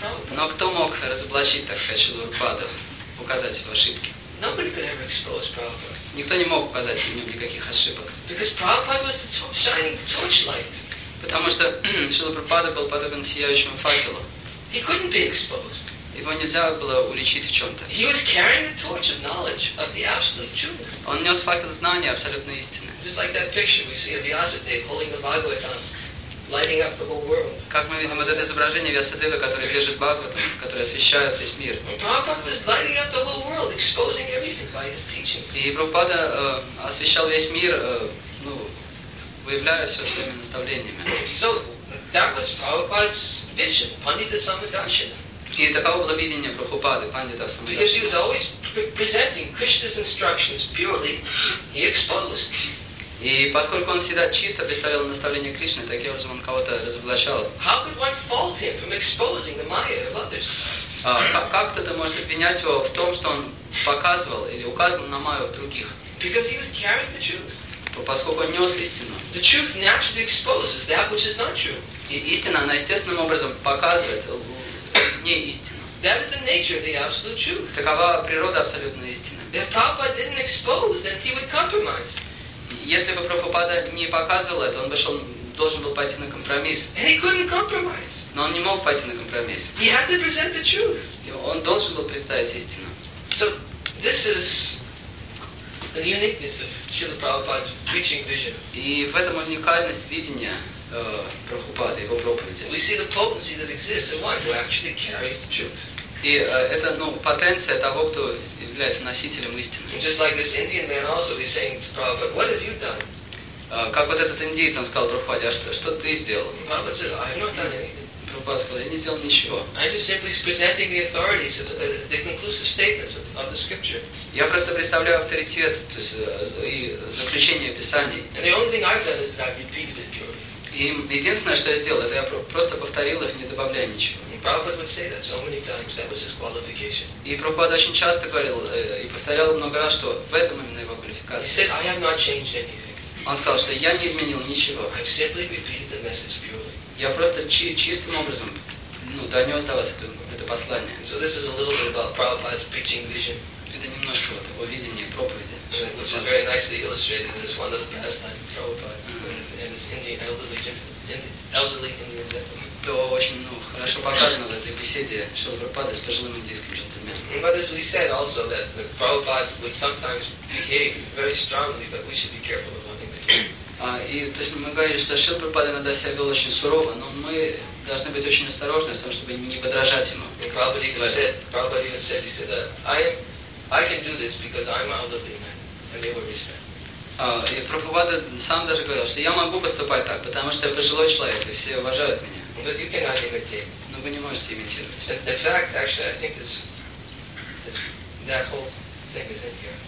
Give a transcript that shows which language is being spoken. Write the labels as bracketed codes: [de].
[ru] Но кто мог разоблачить, так сказать, Шрилу Прабхупаду, указать его ошибки? [en] Nobody could ever expose Prabhupada. [ru] Никто не мог указать в нем никаких ошибок. [en] Because Prabhupada was the shining torchlight. [ru] Потому что Шрила Прабхупада был подобен сияющему факелу. [en] He couldn't be exposed. [ru] Его нельзя было уличить в чем-то. [en] He was carrying the torch of knowledge of the absolute truth. [ru] Он нес факел знания абсолютной истины. [en] Just like that picture we see of Vyasadeva holding the Bhagavatam, lighting up the whole world. [ru] Как мы видим, вот это изображение Вьясадевы, которое держит Бхагаватам, которое освещает весь мир. [en] Prabhupada was lighting up the whole world, exposing everything by his teachings. [ru] И Прабхупада освещал весь мир, ну, выявляю все своими наставлениями. [en] So that was Prabhupada's vision, Pandita Samadarshana. [ru] И таково было видение Прабхупады, Пандита Самадарши. [en] Because he was always presenting Krishna's instructions purely, he exposed. [ru] И поскольку он всегда чисто представлял наставление Кришны, таким образом он кого-то разоблачал. [en] How could one fault him from exposing the Maya of others? [ru] Как кто-то может обвинять его в том, что он показывал или указывал на Майю других? [en] Because he was carrying the truth. [ru] Поскольку он нес истину. [en] The truth naturally exposes that which is not true. [ru] И истина, она естественным образом показывает не истину. [en] That is the nature of the absolute truth. [ru] Такова природа абсолютной истины. [en] If Prabhupada didn't expose, then he would compromise. [ru] Если бы Прабхупада не показывал это, он бы шел, должен был пойти на компромисс. [en] And he couldn't compromise. [ru] Но он не мог пойти на компромисс. [en] He had to present the truth. [ru] Он должен был представить истину. [en] So this is the uniqueness of Srila Prabhupada's preaching vision. [ru] И в этом уникальность видения Прабхупады, его проповеди. [en] We see the potency that exists in one who actually carries the truth. [ru] И это, ну, потенция того, кто является носителем истины. [en] Just like this Indian man also is saying to Prabhupada, what have you done? [ru] Как вот этот индийец, он сказал Прабхупаде, а что ты сделал? [en] Prabhupada said, I have not done anything. [ru] Прабхупада сказал, я не сделал ничего. [en] I'm just simply presenting the authorities of the conclusive statements of the scripture. [ru] Я просто представляю авторитет, то есть и заключение Писаний. [en] And the only thing I've done is that I've repeated it purely. [ru] И единственное, что я сделал, это я просто повторил их, не добавляя ничего. [en] Prabhupada would say that so many times, that was his qualification. [ru] И Прабхупада очень часто говорил и повторял много раз, что в этом именно его квалификация. [en] He said, I have not changed anything. [ru] Он сказал, что я не изменил ничего. [en] I've simply repeated the message purely. [ru] Я просто чистым образом, ну, донес до вас это послание. [en] So this is a little bit about Prabhupada's preaching vision. [ru] Это немножко вот его видение и проповеди. [en] Which is very nicely illustrated in this one little pastime Prabhupada and this elderly Indian gentleman. [ru] То очень, ну, хорошо показано в этой беседе, что Прабхупада с пожилым индийским джентльменом. [en] But as we said also, that Prabhupada would sometimes behave very strongly, but we should be careful of one thing. [ru] То есть мы говорили, что Шрила Прабхупада иногда себя вел очень сурово, но мы должны быть очень осторожны, чтобы не подражать ему. [en] Prabhupada even said, I can do this because I'm elderly man, and they will respect. [ru] И Прабхупада сам даже говорил, что я могу поступать так, потому что я пожилой человек, и все уважают меня. [en] But you cannot imitate. [ru] Но вы не можете имитировать. [en] In fact, actually, I think this that whole thing is in here.